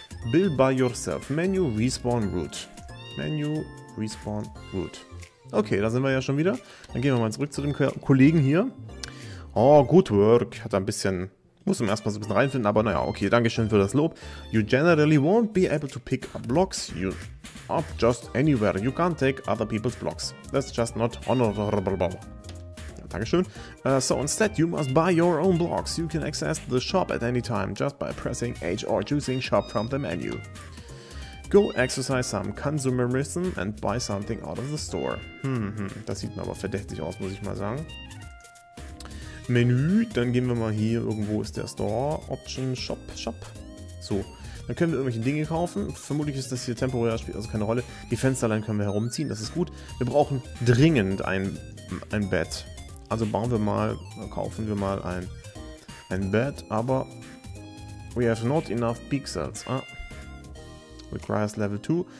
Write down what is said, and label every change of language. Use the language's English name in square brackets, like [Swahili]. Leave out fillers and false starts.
[English] Build by yourself. Menu Respawn Route. Menu Respawn Route. [German] Okay, da sind wir ja schon wieder. Dann gehen wir mal zurück zu dem Kollegen hier. [English] Oh, good work. [German] Hat ein bisschen... Muss man erstmal so ein bisschen reinfinden, aber naja, okay. Dankeschön für das Lob. [English] You generally won't be able to pick up blocks. You up just anywhere. You can't take other people's blocks. That's just not honorable. [German] Ja, Dankeschön. [English] So instead, you must buy your own blocks. You can access the shop at any time just by pressing H or choosing shop from the menu. Go exercise some consumerism and buy something out of the store. [German] Das sieht mir aber verdächtig aus, muss ich mal sagen. Menü, dann gehen wir mal hier, irgendwo ist der Store, Option, Shop, Shop. So, dann können wir irgendwelche Dinge kaufen. Vermutlich ist das hier temporär, spielt also keine Rolle. Die Fensterlein können wir herumziehen, das ist gut. Wir brauchen dringend ein Bett. Also bauen wir mal, kaufen wir mal ein Bett, aber... [English] We have not enough pixels, ah. Requires Level 2.